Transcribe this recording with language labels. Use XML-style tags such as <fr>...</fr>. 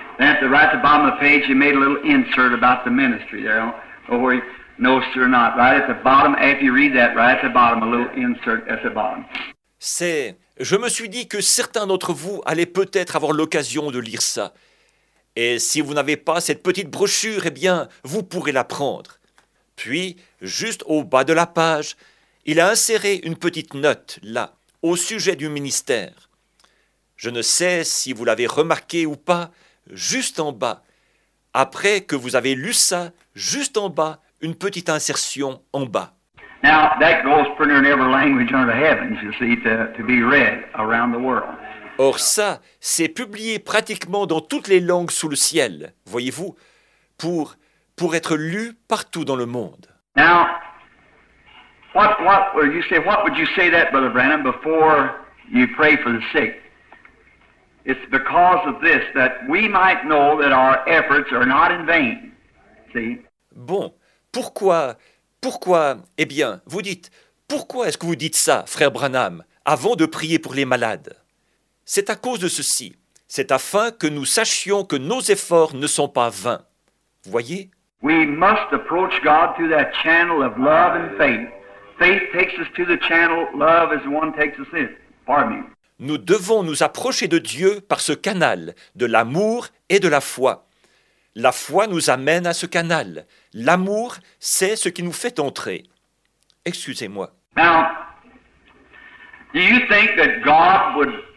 <en>Then at the right at the bottom of the page, you made a little insert about the ministry there. Oh, where you know, sir, not. Right at the bottom, if you read that, right at the bottom, a little insert at the bottom.</en> <fr>C'est « Je me suis dit que certains d'entre vous allaient peut-être avoir l'occasion de lire ça. Et si vous n'avez pas cette petite brochure, eh bien, vous pourrez la prendre. » Puis, juste au bas de la page, il a inséré une petite note, là, au sujet du ministère. Je ne sais si vous l'avez remarqué ou pas, juste en bas. Après que vous avez lu ça, juste en bas, une petite insertion en bas.</fr> <en>Now, that goes pretty near every language under the heavens, you see, to be read around the world.</en> <fr>Or ça, c'est publié pratiquement dans toutes les langues sous le ciel, voyez-vous, pour être lu partout dans le monde.</fr> <en>Now, what would you say that, Brother Branham, before you pray for the sick? It's because of this that we might know that our efforts are not in vain, see?</en> <fr>Bon, pourquoi, eh bien, vous dites, pourquoi est-ce que vous dites ça, frère Branham, avant de prier pour les malades? C'est à cause de ceci. C'est afin que nous sachions que nos efforts ne sont pas vains. Voyez?</fr> <en>We must approach God through that channel of love and faith. Faith takes us to the channel, love is the one takes us in. Pardon me.</en> <fr>Nous devons nous approcher de Dieu par ce canal de l'amour et de la foi. La foi nous amène à ce canal. L'amour, c'est ce qui nous fait entrer. Excusez-moi.</fr> <en>Now, do you think that God would...</en>